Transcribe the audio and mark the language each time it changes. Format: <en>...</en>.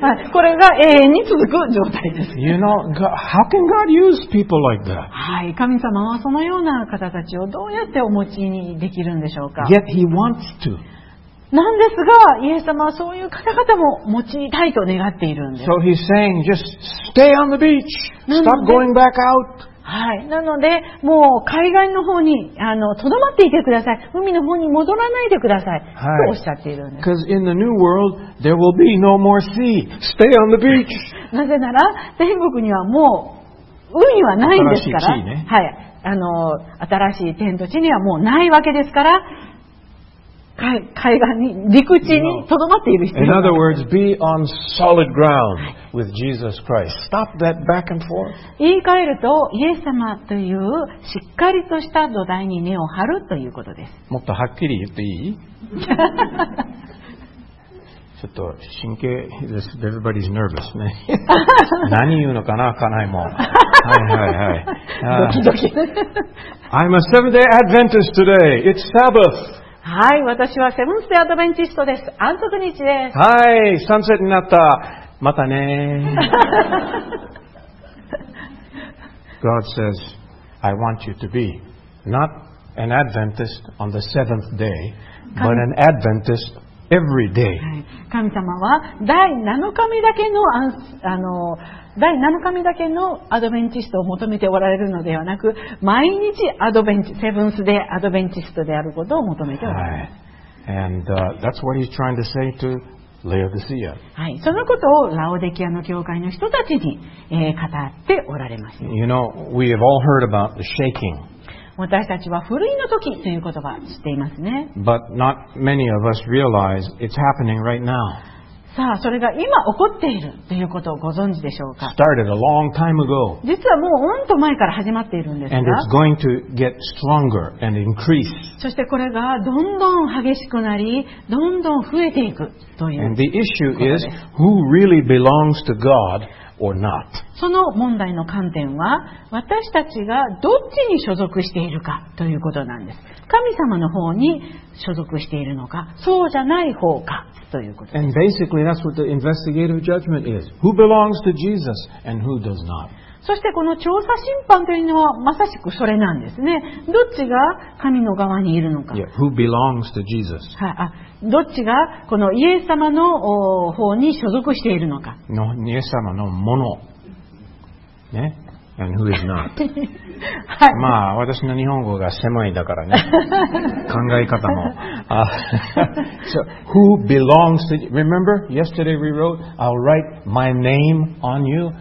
<ja>これが永遠に続く状態です。</ja> <en>You know, how can God use people like that?</en> <ja>はい、神様はそのような方たちをどうやってお持ちにできるんでしょうか。</ja> <en>Yet he wants to.</en> <ja>なんですが、イエス様はそういう方々も持ちたいと願っているんです。</ja> <en>So he's saying, just stay on the beach. Stop going back out.</en> <ja>はい、なのでもう海岸の方にとどまっていてください、海の方に戻らないでください、はい、とおっしゃっているんです。</ja> <en>Because in the new world there will be no more sea. Stay on the beach.</en> <ja>なぜなら天国にはもう海はないんですから。新しい地ね、はい、新しい天と地にはもうないわけですから、海岸に陸地にとどまっている必要があります。</ja> <en>In other words, be on solid ground with Jesus Christ. Stop that back and forth.</en> <ja>言い換えると、イエス様というしっかりとした土台に根を張るということです。もっとはっきり言っていい？ちょっと神経、</ja> <en>everybody's nervous</en> <ja>ね。何言うのかな、家内も。はいはいはい。ドキドキ。</ja> <en>I'm a Seventh-day Adventist today. It's Sabbath.</en> <ja>はい、私はセブンスデーアドベンチストです。安息日です。はい、サンセットになった、またね。</ja> <en>God says I want you to be not an Adventist on the seventh day but an Adventist every day.</en> <ja>神様は第7日目だけの第7日目だけのアドベンチストを求めておられるのではなく、毎日アドベンチセブンスでアドベンチストであることを求めております。</ja> <en>はい、And that's what he's trying to say to Laodicea.</en> <ja>はい、そのことをラオデキアの教会の人たちに、語っておられます。</ja> <en>You know, we have all heard about the shaking.</en> <ja>私たちは震いの時という言葉を知っていますね。</ja> <en>But not many of us realize it's happening right now.</en> <ja>さあ、それが今起こっているということをご存知でしょうか。</ja> <en>Started a long time ago.</en> <ja>実はもううんと前から始まっているんですが、</ja> <en>And it's going to get stronger and increase.</en> <ja>そしてこれがどんどん激しくなり、どんどん増えていくということです。</ja> <en>And the issue is who really belongs to God. Or not.</en> <ja>その問題の観点は、私たちがどっちに所属しているかということなんです。神様の方に所属しているのか、そうじゃない方かということです。</ja> <en>And basically, that's what the investigative judgment is. Who belongs to Jesus and who does not?</en> <ja>そしてこの調査審判というのはまさしくそれなんですね。どっちが神の側にいるのか。</ja> <en>Yeah, who belongs to Jesus?</en> <ja>はい。どっちがこのイエス様の方に所属しているのか。のイエス様のもの。ね。</ja> <en>And who is not?</en> <ja>はい。まあ、私の日本語が狭いだからね。考え方も。</ja> <en>So, who belongs to you? Remember, yesterday we wrote, I'll write my name on you.</en>